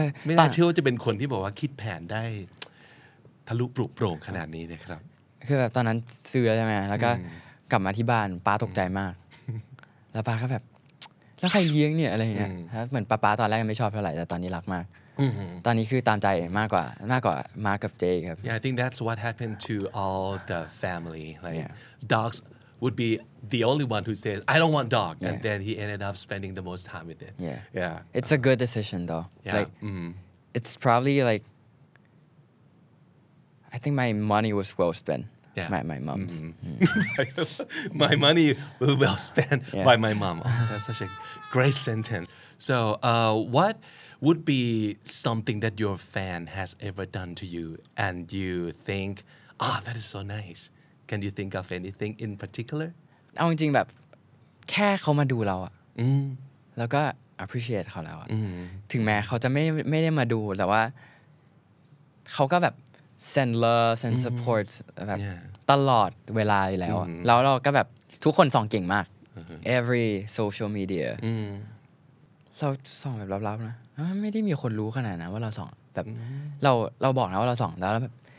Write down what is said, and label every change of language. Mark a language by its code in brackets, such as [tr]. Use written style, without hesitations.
[th] ไม่น่าเชื่อว่าจะเป็นคนที่บอกว่าคิดแผนได้ทะลุปลุกโปร่งขนาดนี้นะครับ คือแบบตอนนั้นซื้อใช่ไหมแล้วก็กลับมาที่บ้านป้าตกใจมากแล้วป้าก็แบบแล้วใครเลี้ยงเนี่ยอะไรอย่างเงี้ยเหมือนป้าตอนแรกไม่ชอบเท่าไหร่แต่ตอนนี้รักมากตอนนี้คือตามใจมากกว่ามาร์กกับเจครับ [en] Yeah, I think that's what happened to all the family. Like, yeah. Dogs would be the only one who says, I don't want dog. And then he ended up spending the most time with it. Yeah. Yeah. It's a good decision, though. Yeah. Like, it's probably, like, I think my money was well spent. Yeah. My mom's. Mm-hmm. My money was well spent by my mom. That's such a great sentence. So, what... would be something that your fan has ever done to you and you think ah that is so nice can you think of anything in particular [th] เอาจริงๆแบบแค่เขามาดูเราอ่ะแล้วก็ [en] appreciate [th] เขาแล้วอ่ะถึงแม้เขาจะไม่ได้มาดูแต่ว่าเขาก็แบบ [en] send love send support [th] แบบตลอดเวลาแล้วแล้วเราก็แบบทุกคนส่องเก่งมาก [en] every social media [th] เราส่องแบบลับๆนะไม่ได้มีคนรู้ขนาดนะว่าเราส่องแบบเราบอกนะว่าเราส่องแล้วแบบ